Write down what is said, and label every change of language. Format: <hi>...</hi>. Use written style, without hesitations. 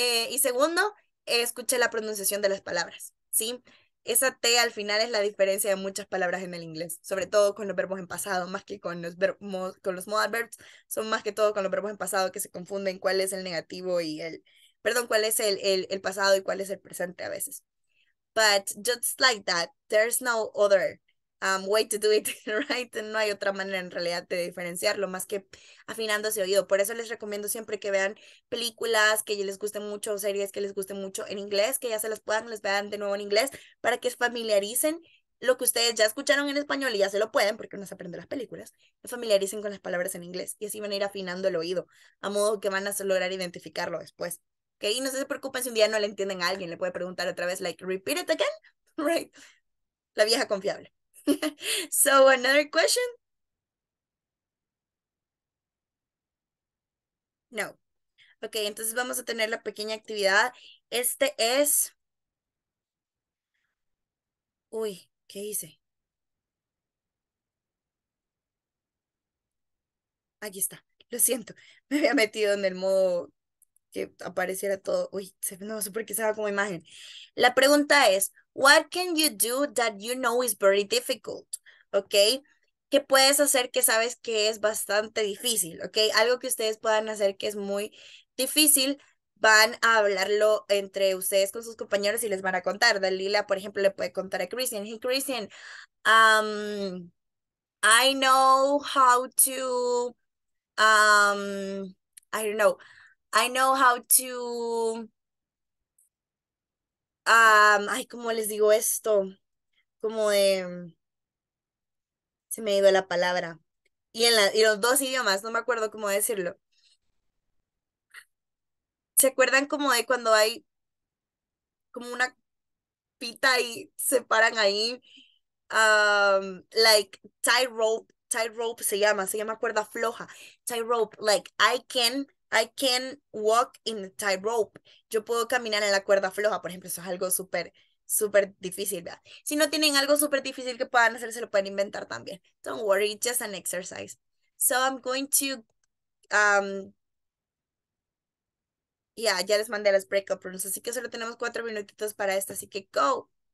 <es>Y segundo, escuche la pronunciación de las palabras, ¿sí? Esa T al final es la diferencia de muchas palabras en el inglés, sobre todo con los verbos en pasado, más que con los verbos, con los modal verbs, son más que todo con los verbos en pasado que se confunden cuál es el negativo y el, perdón, cuál es el pasado y cuál es el presente a veces.</es> <en>But just like that, there's no other way to do it, right?</en> <es>No hay otra manera en realidad de diferenciarlo más que afinando ese oído. Por eso les recomiendo siempre que vean películas que les gusten mucho, series que les gusten mucho en inglés, que ya se las puedan, les vean de nuevo en inglés para que se familiaricen lo que ustedes ya escucharon en español y ya se lo pueden, porque uno se aprende las películas, se familiaricen con las palabras en inglés y así van a ir afinando el oído, a modo que van a lograr identificarlo después. ¿Okay? Y no se preocupen si un día no le entienden a alguien, le puede preguntar otra vez,</es> <en>like, repeat it again, right?</en> <es>La vieja confiable.</es> <en>So, another question?</en> <es>No. Ok, entonces vamos a tener la pequeña actividad. Este es. Uy, ¿qué hice? Aquí está. Lo siento. Me había metido en el modo que apareciera todo. Uy, no sé por qué se va como imagen. La pregunta es.</es> <en>What can you do that you know is very difficult? ¿Ok?</en> <es>¿Qué puedes hacer que sabes que es bastante difícil? ¿Ok? Algo que ustedes puedan hacer que es muy difícil, van a hablarlo entre ustedes con sus compañeros y les van a contar. Dalila, por ejemplo, le puede contar a Christian.</es> <en>Hey, Christian, I know how to, I don't know, I know how to.</en> <es>Ay, ¿cómo les digo esto? Como de. Se me ha ido la palabra. Y los dos idiomas, no me acuerdo cómo decirlo. ¿Se acuerdan como de cuando hay como una pita y se paran ahí?</es> <en>Like, tie rope</en> <es>se llama cuerda floja.</es> <en>Tie rope, like, I can walk in the tight rope.</en> <es>Yo puedo caminar en la cuerda floja, por ejemplo. Eso es algo súper, súper difícil, ¿verdad? Si no tienen algo súper difícil que puedan hacer, se lo pueden inventar también.</es> <en>Don't worry, just an exercise. So I'm going to.</en> <es>Yeah, ya les mandé las breakout rooms. Así que solo tenemos 4 minutitos para esto. Así que go.</es>